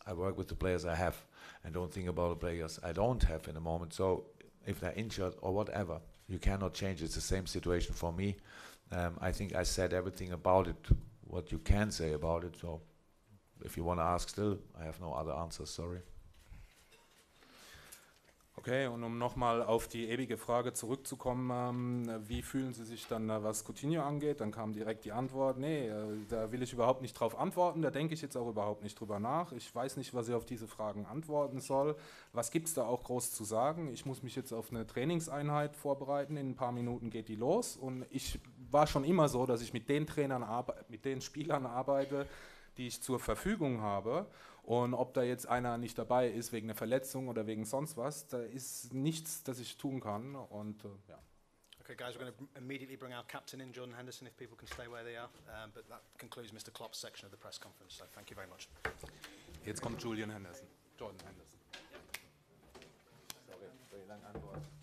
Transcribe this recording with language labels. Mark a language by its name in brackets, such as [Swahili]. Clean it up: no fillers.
[English] I work with the players I have and don't think about the players I don't have in the moment. So if they're injured or whatever, you cannot change. It's the same situation for me. I think I said everything about it, what you can say about it. So if you want to ask still, I have no other answers, sorry. [German] Okay, und um nochmal auf die ewige Frage zurückzukommen, wie fühlen Sie sich dann, was Coutinho angeht? Dann kam direkt die Antwort, da will ich überhaupt nicht drauf antworten, da denke ich jetzt auch überhaupt nicht drüber nach. Ich weiß nicht, was ich auf diese Fragen antworten soll. Was gibt es da auch groß zu sagen? Ich muss mich jetzt auf eine Trainingseinheit vorbereiten, in ein paar Minuten geht die los. Und ich war schon immer so, dass ich mit den Trainern, mit den Spielern arbeite, die ich zur Verfügung habe. Und ob da jetzt einer nicht dabei ist wegen einer Verletzung oder wegen sonst was, da ist nichts, das ich tun kann. Und ja. [English] Okay, guys, we're going to immediately bring our captain in, Jordan Henderson, if people can stay where they are. But that concludes Mr. Klopp's section of the press conference. So thank you very much. [German] Jetzt kommt Julian Henderson. Jordan Henderson. Sorry für die lange Antwort.